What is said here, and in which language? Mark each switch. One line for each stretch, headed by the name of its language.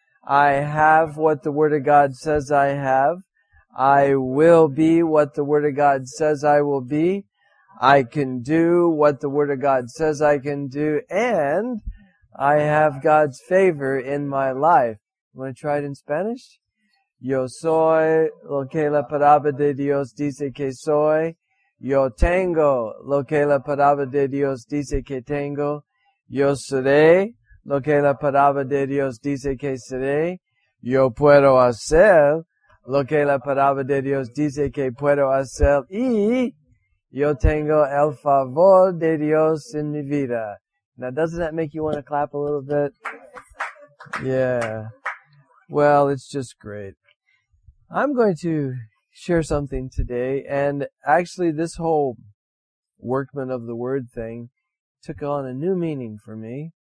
English: I have what the Word of God says I have. I will be what the Word of God says I will be. I can do what the Word of God says I can do, and I have God's favor in my life. You want to try it in Spanish?
Spanish: Yo soy lo que la palabra de Dios dice que soy. Yo tengo lo que la palabra de Dios dice que tengo. Yo seré lo que la palabra de Dios dice que seré. Yo puedo hacer lo que la palabra de Dios dice que puedo hacer. Y yo tengo el favor de Dios en mi vida.
English: Now, doesn't that make you want to clap a little bit? Yeah. Well, it's just great. I'm going to share something today, and actually this whole workman of the word thing took on a new meaning for me.